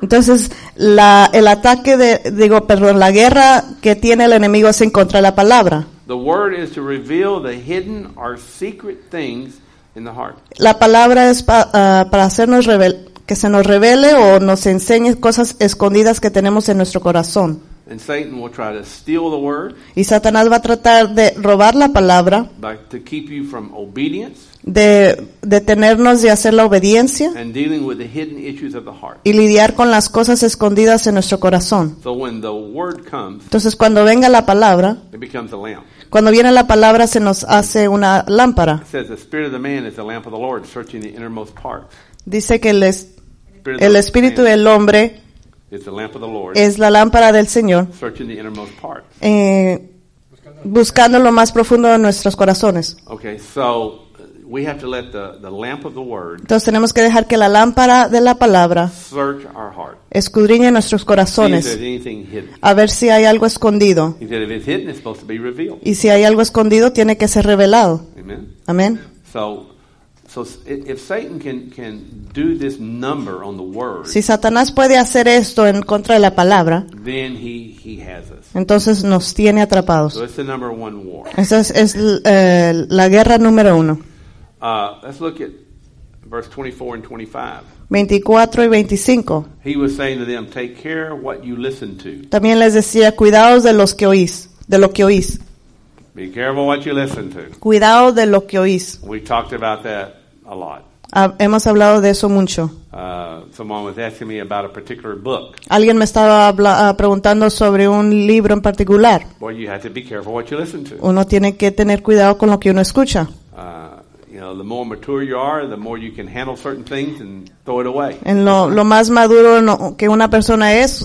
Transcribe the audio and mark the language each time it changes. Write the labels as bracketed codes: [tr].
[es] Entonces la guerra que tiene el enemigo es en contra de la palabra. [en] The word is to reveal the hidden or secret things in the heart. [es] La palabra es para hacernos que se nos revele o nos enseñe cosas escondidas que tenemos en nuestro corazón. [en] And Satan will try to steal the word. [es] Y Satanás va a tratar de robar la palabra. [en] But to keep you from obedience. [es] De detenernos de hacer la obediencia. [en] And dealing with the hidden issues of the heart. [es] Y lidiar con las cosas escondidas en nuestro corazón. [en] So when the word comes. [es] Entonces cuando venga la palabra. [en] It becomes a lamp. [es] Cuando viene la palabra se nos hace una lámpara. [en] It says the spirit of the man is the lamp of the Lord searching the innermost parts. [es] Dice que el espíritu del hombre. [en] It's the lamp of the Lord. [es] Es la lámpara del Señor. [en] Searching the innermost part. [es] Buscando lo más profundo de nuestros corazones. [en] Okay, so we have to let the lamp of the word. [es] Entonces tenemos que dejar que la lámpara de la palabra. [en] Search our heart. [es] Escudriñe nuestros corazones. [en] See if there's anything hidden. [es] A ver si hay algo escondido. [en] He said if it's hidden, it's supposed to be revealed. [es] Y si hay algo escondido, tiene que ser revelado. [en] Amen. [es] Amen. [en] So if Satan can do this number on the word, [es] si Satanás puede hacer esto en contra de la palabra, [en] then he has us. [es] Entonces nos tiene atrapados. [en] So it's the number one war. [es] Esa es la guerra número uno. [en] Let's look at verse 24 and 25. [es] 24 y 25. [en] He was saying to them, take care of what you listen to. [es] También les decía, cuidaos de los que oís, de lo que oís. [en] Be careful what you listen to. [es] Cuidado de lo que oís. [en] We talked about that a lot. [es] Hemos hablado de eso mucho. [en] Someone was asking me about a particular book. [es] Alguien me estaba preguntando sobre un libro en particular. [en] Well, you have to be careful what you listen to. [es] Uno tiene que tener cuidado con lo que uno escucha. [en] The more mature you are, the more you can handle certain things and throw it away. [es] En lo más maduro que una persona es